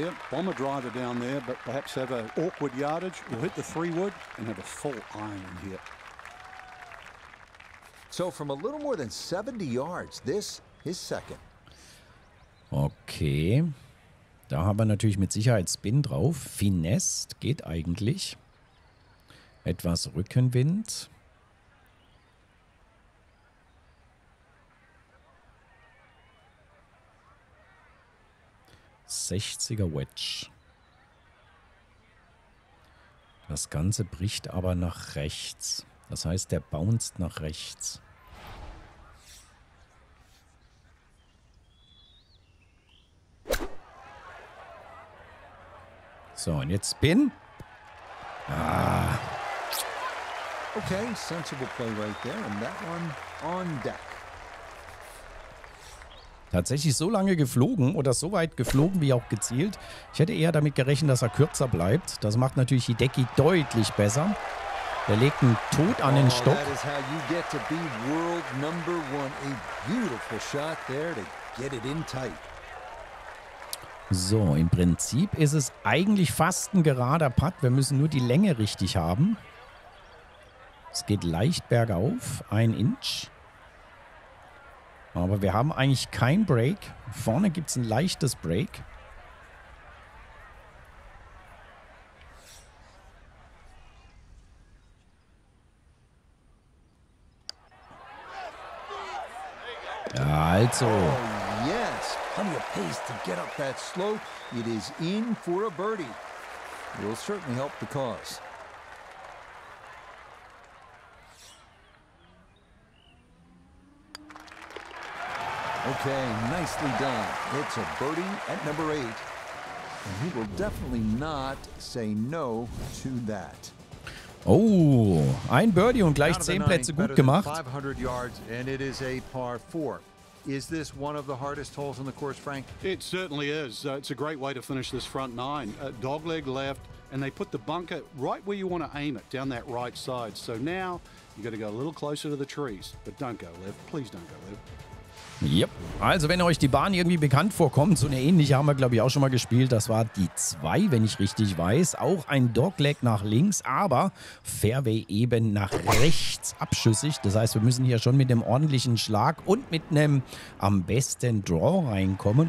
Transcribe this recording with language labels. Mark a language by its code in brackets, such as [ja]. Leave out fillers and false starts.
[en] Bomber driver down there, but perhaps have an awkward yardage. We'll hit the 3 wood and have a full iron here. So from a little more than 70 yards, this is second. Okay. [de] Da haben wir natürlich mit Sicherheit Spin drauf. Finesse geht eigentlich. Etwas Rückenwind. Sechziger Wedge. Das Ganze bricht aber nach rechts. Das heißt, der bounced nach rechts. So, und jetzt Spin. Ah. [en] Okay, sensible play right there. And that one on deck. [de] tatsächlich so lange geflogen oder so weit geflogen wie auch gezielt. Ich hätte eher damit gerechnet, dass er kürzer bleibt. Das macht natürlich Hideki deutlich besser. Er legt einen Tod an den Stock. [en] That is how you get to be world number one. A beautiful shot there to get it in tight. [de] So, im Prinzip ist es eigentlich fast ein gerader Putt. Wir müssen nur die Länge richtig haben. Es geht leicht bergauf, ein Inch. Aber wir haben eigentlich kein Break. Vorne gibt es ein leichtes Break. Ja, also. [en] Plenty of pace to get up that slope. It is in for a birdie. It will certainly help the cause. Okay, nicely done. It's a birdie at number 8. And he will definitely not say no to that. [de] Oh, ein Birdie und gleich 10 Plätze gut gemacht. [en] 500 yards and it is a par 4. Is this one of the hardest holes on the course, Frank? It certainly is. It's a great way to finish this front nine. Dogleg left, and they put the bunker right where you want to aim it, down that right side. So now you got to go a little closer to the trees. But don't go left. Please don't go left. Yep. [de] Also wenn euch die Bahn irgendwie bekannt vorkommt, so eine ähnliche haben wir, glaube ich, auch schon mal gespielt. Das war die 2, wenn ich richtig weiß. Auch ein Dogleg nach links, aber Fairway eben nach rechts abschüssig. Das heißt, wir müssen hier schon mit einem ordentlichen Schlag und mit einem am besten Draw reinkommen.